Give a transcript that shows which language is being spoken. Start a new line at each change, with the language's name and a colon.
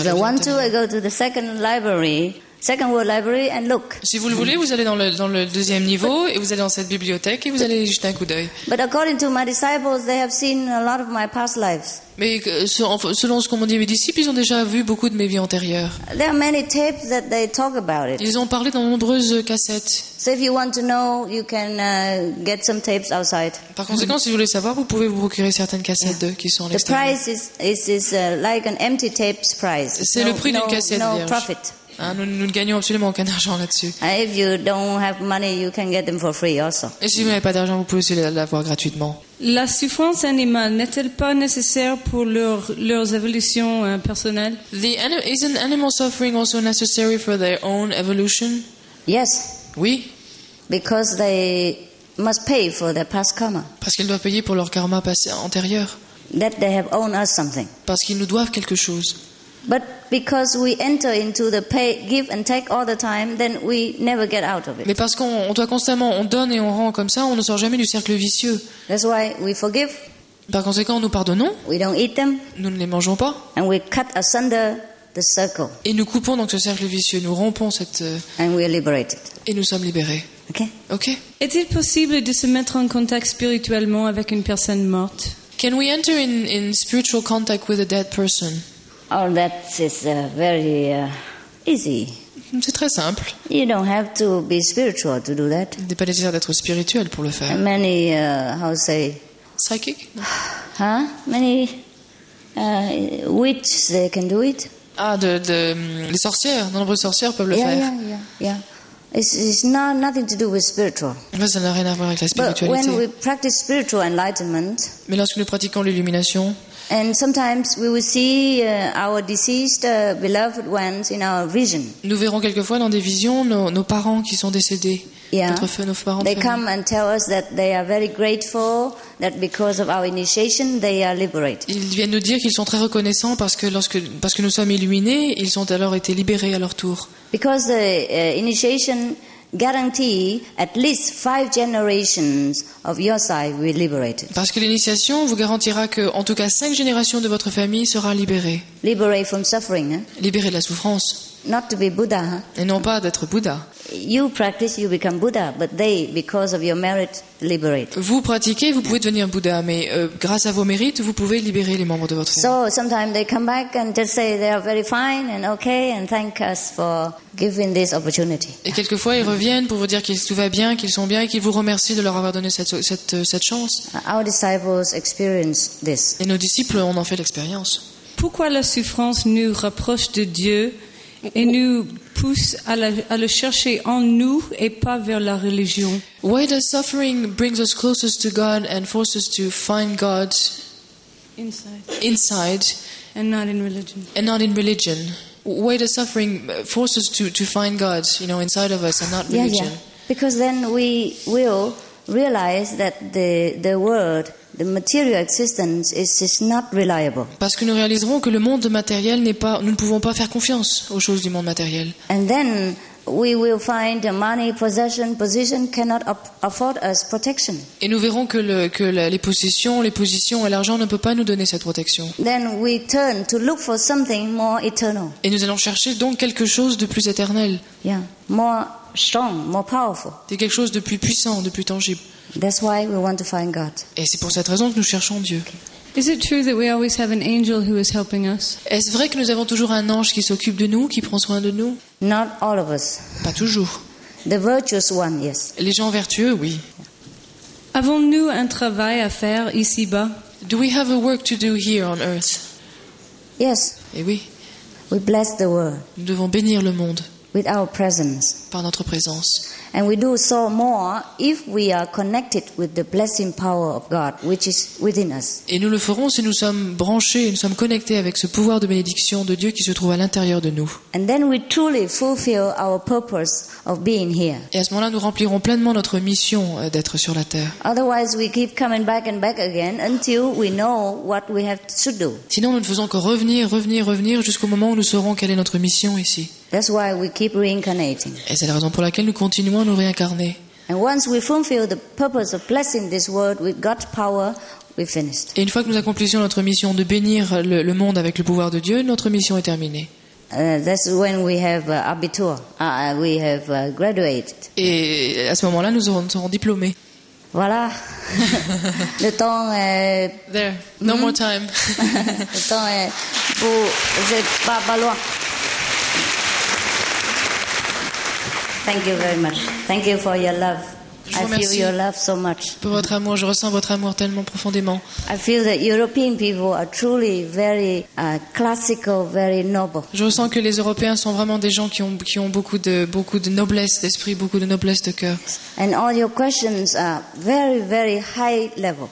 English: If I want to, I go to the second library Second world library and look.
French: Si vous le voulez, vous allez dans le deuxième niveau et vous allez dans cette bibliothèque et vous allez jeter un coup d'œil.
English: But according to my disciples, they have seen a lot of my past lives.
French: Mais selon ce qu'ont dit mes disciples, ils ont déjà vu beaucoup de mes vies antérieures.
English: There are many tapes that they talk about it.
French: Ils ont parlé dans nombreuses cassettes.
English: So if you want to know, you can get some tapes outside.
French: Par conséquent, si vous voulez savoir, vous pouvez vous procurer certaines cassettes qui sont à l'extérieur.
English: The price is like an empty tapes price.
French: C'est le prix d'une cassette vierge.
English: No profit.
French: Nous ne gagnons absolument aucun argent là-dessus.
English: If you don't have money, you can get them for free also.
French: Et si vous n'avez pas d'argent, vous pouvez aussi l'avoir gratuitement. La souffrance animale n'est-elle pas nécessaire pour leurs évolutions personnelles?
English: Isn't animal suffering also necessary for their own evolution? Yes.
French: Oui.
English: Because they must pay for their past karma.
French: Parce qu'ils doivent payer pour leur karma passé antérieur.
English: That they have owned us something.
French: Parce qu'ils nous doivent quelque chose.
English: But because we enter into the pay, give and take all the time, then we never get out of it.
French: Mais parce qu'on doit constamment, on donne et on rend comme ça, on ne sort jamais du cercle vicieux.
English: That's why we forgive.
French: Par conséquent, nous pardonnons.
English: We don't eat them.
French: Nous ne les mangeons pas.
English: And we cut asunder the circle.
French: Et nous coupons donc ce cercle vicieux, nous rompons cette.
English: And we are liberated.
French: Et nous sommes libérés.
English: Okay. Okay.
French: Est-il possible de se mettre en contact spirituellement avec une personne morte?
English: Can we enter in spiritual contact with a dead person? Oh, that is very easy.
French: C'est très simple.
English: You don't have to be spiritual to do that.
French: Il n'est pas nécessaire d'être spirituel pour le faire.
English: Many, how say? Psychic? Huh? Many witches, they can do it.
French: Ah, les sorcières, de nombreuses sorcières peuvent le faire.
English: It's nothing to do with spiritual.
French: Mais ça n'a rien à voir avec la spiritualité.
English: But when we practice spiritual enlightenment.
French: Mais lorsque nous pratiquons l'illumination.
English: And sometimes we will see our deceased beloved ones in our vision.
French: Nous verrons quelquefois dans des visions nos parents qui sont décédés. Nos parents.
English: They come and tell us that they are very grateful that because of our initiation they are liberated.
French: Ils viennent nous dire qu'ils sont très reconnaissants parce que nous sommes illuminés, ils ont alors été libérés à leur tour.
English: Because the initiation guarantee at least 5 generations of your side will be liberated.
French: Parce que l'initiation vous garantira que en tout cas 5 générations de votre famille sera libérée.
English: Liberate from suffering.
French: Libérée de la souffrance.
English: Not to be Buddha.
French: Et non pas d'être Bouddha.
English: You practice, you become Buddha, but they, because of your merit, liberate.
French: Vous pratiquez, vous pouvez devenir Bouddha, mais grâce à vos mérites, vous pouvez libérer les membres de votre famille.
English: So sometimes they come back and just say they are very fine and okay and thank us for giving this opportunity.
French: Et quelquefois ils reviennent pour vous dire qu'ils tout va bien, qu'ils sont bien et qu'ils vous remercient de leur avoir donné cette chance.
English: Our disciples experience this.
French: Et nos disciples ont en fait l'expérience. Pourquoi la souffrance nous rapproche de Dieu et nous pousse à le chercher en nous et pas vers la religion?
English: Why does suffering bring us closest to God and force us to find God inside and not in religion? And not in religion. Why does suffering force us to find God, you know, inside of us and not religion? Yeah. Because then we will realize that the world, the material existence is not reliable.
French: Parce que nous réaliserons que le monde matériel n'est pas, nous ne pouvons pas faire confiance aux choses du monde matériel.
English: And then we will find the money, possession, position cannot afford us protection.
French: Et nous verrons que les possessions, les positions et l'argent ne peuvent pas nous donner cette protection.
English: Then we turn to look for something more eternal.
French: Et nous allons chercher donc quelque chose de plus éternel.
English: Yeah, more strong, more powerful.
French: C'est quelque chose de plus puissant, de plus tangible.
English: That's why we want to find God.
French: Et c'est pour cette raison que nous cherchons Dieu.
English: Is it true that we always have an angel who is helping us?
French: Est-ce vrai que nous avons toujours un ange qui s'occupe de nous, qui prend soin de nous?
English: Not all of us.
French: Pas toujours.
English: The virtuous one, yes.
French: Les gens vertueux, oui. Avons-nous un travail à faire ici-bas?
English: Do we have a work to do here on earth? Yes.
French: Et oui.
English: We bless the world.
French: Nous devons bénir le monde.
English: With our presence.
French: Par notre présence.
English: And we do so more if we are connected with the blessing power of God, which is within us.
French: Et nous le ferons si nous sommes branchés, nous sommes connectés avec ce pouvoir de bénédiction de Dieu qui se trouve à l'intérieur de nous.
English: And then we truly fulfill our purpose of being here.
French: Et à ce moment-là, nous remplirons pleinement notre mission d'être sur la terre.
English: Otherwise, we keep coming back and back again until we know what we have to do.
French: Sinon, nous ne faisons que revenir jusqu'au moment où nous saurons quelle est notre mission ici.
English: That's why we keep reincarnating.
French: Et c'est la raison pour laquelle nous continuons à nous réincarner.
English: And once we fulfill the purpose of blessing this world with God's power, we're finished.
French: Et une fois que nous accomplissons notre mission de bénir le monde avec le pouvoir de Dieu, notre mission est terminée.
English: That's when we have abitur. We have graduated.
French: Et à ce moment-là, nous serons diplômés. Voilà. Le temps est...
English: There. No more time.
French: Le temps est... Vous êtes pas loin.
English: Thank you very much. Thank you for your love.
French: Je vous remercie.
English: I feel your love so much.
French: Pour votre amour, je ressens votre amour tellement profondément.
English: I feel that European people are truly very classical, very noble.
French: Je ressens que les Européens sont vraiment des gens qui ont beaucoup de noblesse d'esprit, beaucoup de noblesse de cœur.
English: And all your questions are very, very high level.